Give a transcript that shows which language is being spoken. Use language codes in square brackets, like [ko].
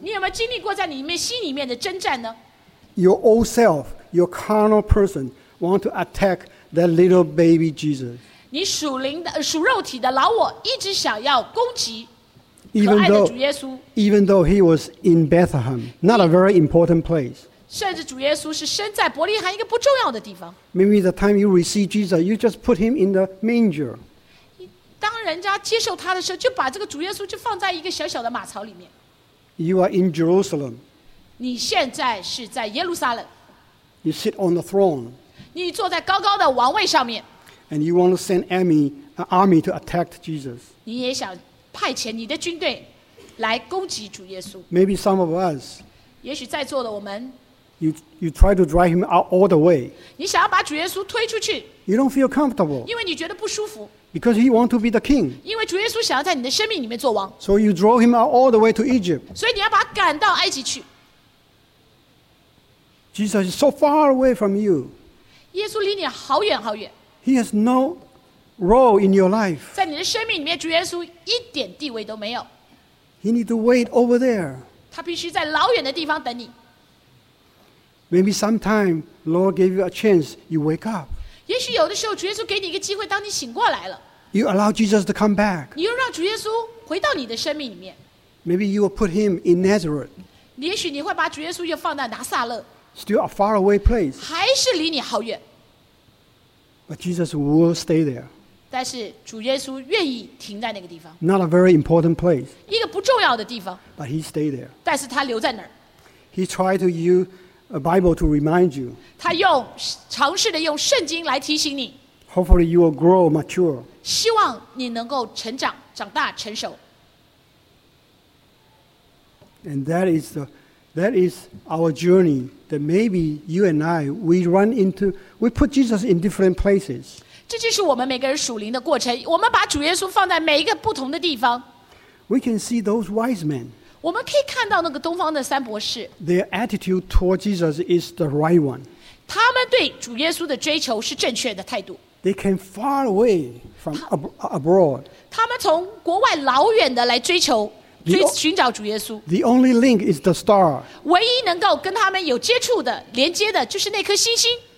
[zh] 你有没有经历过在你里面心里面的征战呢 [en] Your old self, your carnal person want to attack that little baby Jesus [zh] 你属灵的属肉体的老我一直想要攻击可爱的主耶稣 [en] even though he was in Bethlehem, not a very important place. [zh] 甚至主耶稣是生在伯利恒一个不重要的地方。 [en] Maybe the time you receive Jesus, you just put him in the manger. [zh] 当人家接受他的时候，就把这个主耶稣就放在一个小小的马槽里面。 [en] You are in Jerusalem. [zh] 你现在是在耶路撒冷。 [en] You sit on the throne. [zh] 你坐在高高的王位上面。 [en] And you want to send an army to attack Jesus. [zh] 你也想。派遣你的军队来攻击主耶稣。 [en] Maybe some of us， [zh] 也许在座的我们 [en] ，you try to drive him out all the way。 [zh] 你想要把主耶稣推出去。 [en] You don't feel comfortable， [zh] 因为你觉得不舒服。 [en] Because he want to be the king， [zh] 因为主耶稣想要在你的生命里面做王。 [en] So you draw him out all the way to Egypt， [zh] 所以你要把他赶到埃及去。 [en] Jesus is so far away from you， [zh] 耶稣离你好远好远。 [en] He has no。 Role in your life. [zh] 在你的生命里面，主耶稣一点地位都没有。 [en] He need to wait over there. [zh] 他必须在老远的地方等你。 [en] Maybe sometime Lord gave you a chance, you wake up. [zh] 也许有的时候主耶稣给你一个机会，当你醒过来了。 [en] You allow Jesus to come back. [zh] 你又让主耶稣回到你的生命里面。 [en] Maybe you will put him in Nazareth. [zh] 也许你会把主耶稣又放在拿撒勒。 [en] Still a far away place. [zh] 还是离你好远。 [en] But Jesus will stay there. [zh] 但是主耶稣愿意停在那个地方。 [en] Not a very important place. [zh] 一个不重要的地方。 [en] But he stayed there. [zh] 但是他留在那儿。 [en] He tried to use a Bible to remind you. [zh] 他用尝试的用圣经来提醒你。 [en] Hopefully you will grow mature. [zh] 希望你能够成长、长大、成熟。 [en] And that is our journey. That maybe you and I, we put Jesus in different places. [zh] 这就是我们每个人属灵的过程。我们把主耶稣放在每一个不同的地方。 [en] We can see those wise men. [zh] 我们可以看到那个东方的三博士。 [en] Their attitude toward Jesus is the right one. [zh] 他们对主耶稣的追求是正确的态度。 [en] They came far away from abroad. [zh] 他们从国外老远的来追求。寻找主耶稣。 [en] The only link is the star. [zh] 唯一能够跟他们有接触的、连接的，就是那颗星星。